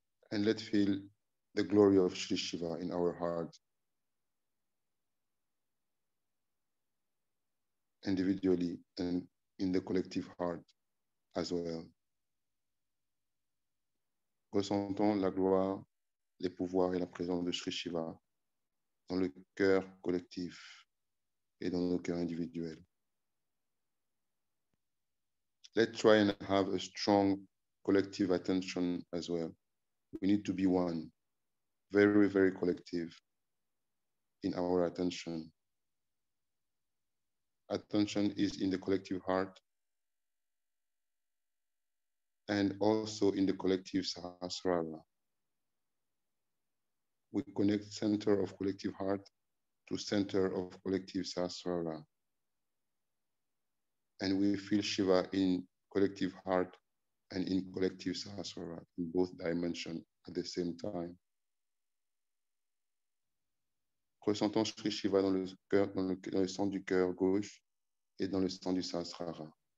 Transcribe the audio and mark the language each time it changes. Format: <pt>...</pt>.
<en>And let feel the glory of Shri Shiva in our heart, individually and in the collective heart as well.</en> <fr>Ressentons la gloire, les pouvoirs et la présence de Shri Shiva dans le cœur collectif et dans nos cœurs individuels.</fr> <en>Let's try and have a strong collective attention as well. We need to be one. Very, very collective in our attention. Attention is in the collective heart and also in the collective Sahasrara. We connect center of collective heart to center of collective Sahasrara. And we feel Shiva in collective heart and in collective Sahasrara in both dimensions at the same time.</en> <fr>Ressentons Shri Shiva dans le cœur, dans le centre du cœur gauche et dans le centre du Sahasrara.</fr>